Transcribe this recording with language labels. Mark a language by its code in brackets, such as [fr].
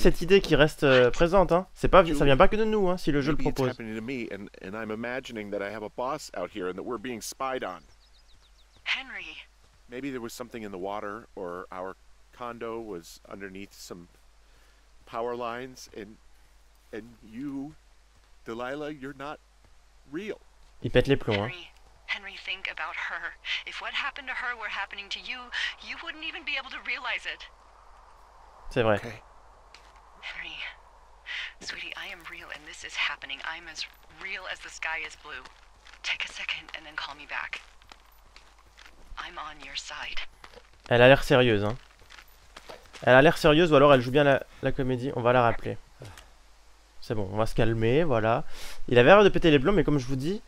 [fr] cette idée qui reste présente, hein. C'est pas, ça vient pas que de nous, hein, si le jeu le [en] Maybe it's [fr] propose. [en] happening to me and I'm imagining that I have a boss out here and that we're being spied on. Henry. Maybe there was something in the water or our condo was underneath some power lines and you, Delilah, you're not real. [fr] Il pète les plombs, hein. [en] Henry, think about her. If what happened to her were happening to you, you wouldn't even be able to realize it. [fr] C'est vrai. [en] Okay. Henry, sweetie, I am real and this is happening. I'm as real as the sky is blue. Take a second and then call me back. I'm on your side. [fr] Elle a l'air sérieuse, hein. Elle a l'air sérieuse ou alors elle joue bien la comédie. On va la rappeler. C'est bon, on va se calmer, voilà. Il avait l'air de péter les plombs, mais comme je vous dis...